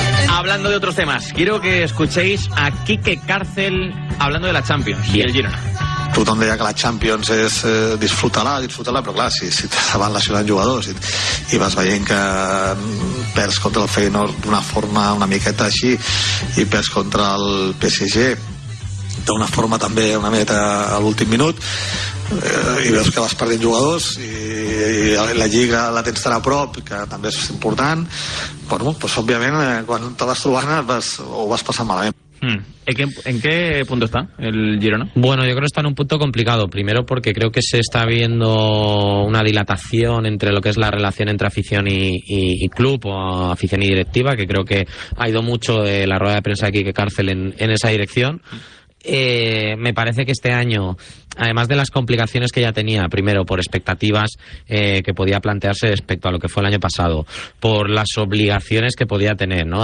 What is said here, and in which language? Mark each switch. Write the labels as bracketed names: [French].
[Spanish] Hablando de otros temas, quiero que escuchéis a Quique Cárcel hablando de la Champions y el Girona. [Catalan] Tothom deia que la Champions és disfruta-la, però clar, si t'estaven lesionant jugadors i vas veient que perds contra el Feyenoord d'una forma una miqueta així i perds contra el PSG d'una forma també una miqueta a l'últim minut i veus que vas perdent jugadors i la Lliga la tens tan a prop, que també és important, bueno, pues òbviament quan te vas trobant ho vas passant malament. [Spanish] ¿En qué punto está el Girona? Bueno, yo creo que está en un punto complicado. Primero porque creo que se está viendo una dilatación entre lo que es la relación entre afición y club, o afición y directiva, que creo que ha ido mucho de la rueda de prensa de Quique Cárcel en esa dirección. Me parece que este año, además de las complicaciones que ya tenía, primero por expectativas que podía plantearse respecto a lo que fue el año pasado, por las obligaciones que podía tener, ¿no?